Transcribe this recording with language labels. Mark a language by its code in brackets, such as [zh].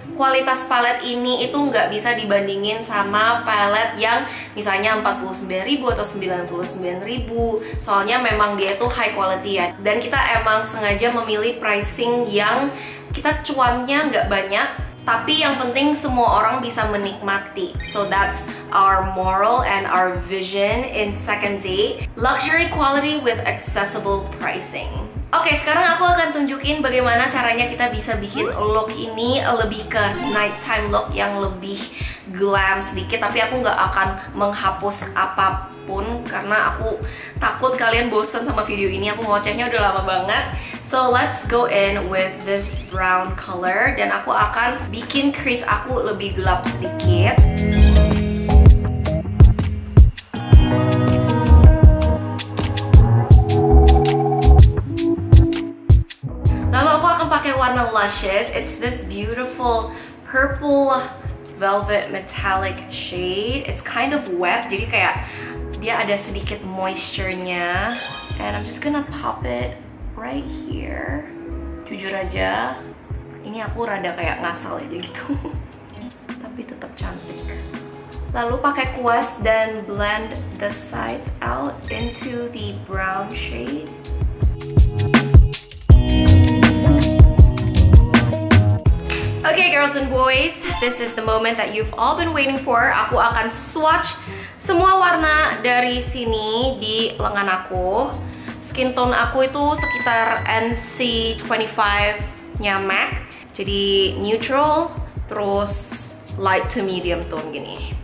[id] Kualitas palette ini itu nggak bisa dibandingin sama palette yang misalnya Rp49.000 atau Rp99.000. Soalnya memang dia itu high quality ya. Dan kita emang sengaja memilih pricing yang kita cuannya nggak banyak, tapi yang penting semua orang bisa menikmati. [en] So that's our moral and our vision in Second Date. Luxury quality with accessible pricing. [id] Oke, sekarang aku akan tunjukin bagaimana caranya kita bisa bikin look ini lebih ke nighttime look yang lebih glam sedikit. Tapi aku nggak akan menghapus apapun karena aku takut kalian bosan sama video ini. Aku ngocehnya udah lama banget. [en] So let's go in with this brown color. [id] Dan aku akan bikin crease aku lebih gelap sedikit. Lalu aku akan pakai warna Lashes. [en] It's this beautiful purple velvet metallic shade. It's kind of wet, [id] jadi kayak dia ada sedikit moisture-nya. [en] And I'm just gonna pop it right here. [id] Jujur aja, ini aku rada kayak ngasal aja gitu. Tapi tetap cantik. Lalu pakai kuas dan [en] blend the sides out into the brown shade. Okay girls and boys, this is the moment that you've all been waiting for. [id] Aku akan swatch semua warna dari sini di lengan aku. Skin tone aku itu sekitar NC25-nya MAC. Jadi neutral, terus [en] light to medium tone [id] gini.